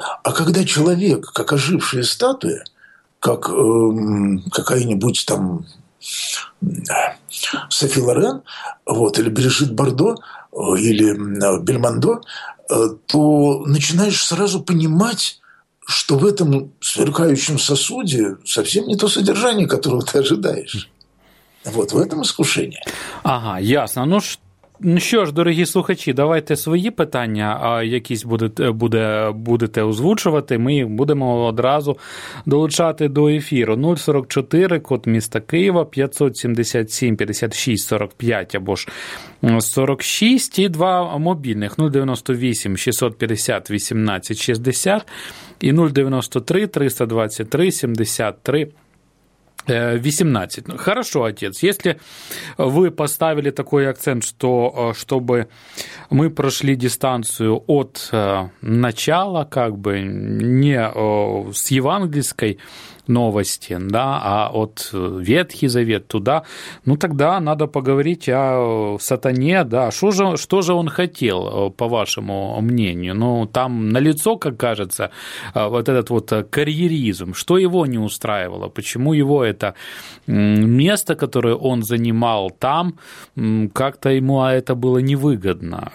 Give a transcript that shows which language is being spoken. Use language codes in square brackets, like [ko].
[ru] А когда человек, как ожившая статуя, как какая-нибудь там Софи Лорен, вот, или Брижит Бардо, или Бельмондо, то начинаешь сразу понимать, что в этом сверкающем сосуде совсем не то содержание, которого ты ожидаешь. Вот в этом искушение. Ага, ясно. Ну что? [uk] Ну що ж, дорогі слухачі, давайте свої питання якісь будете озвучувати, ми їх будемо одразу долучати до ефіру. 044, код міста Києва, 577-56-45 або ж 46, і два мобільних, 098-650-18-60 і 093-323-73. 18. [ru] Хорошо, отец, если вы поставили такой акцент, что чтобы мы прошли дистанцию от начала, как бы не с евангельской новости, да, а от Ветхий Завет туда, ну тогда надо поговорить о сатане, да, что же он хотел, по вашему мнению, ну там налицо, как кажется, вот этот вот карьеризм, что его не устраивало, почему его это место, которое он занимал там, как-то ему это было невыгодно.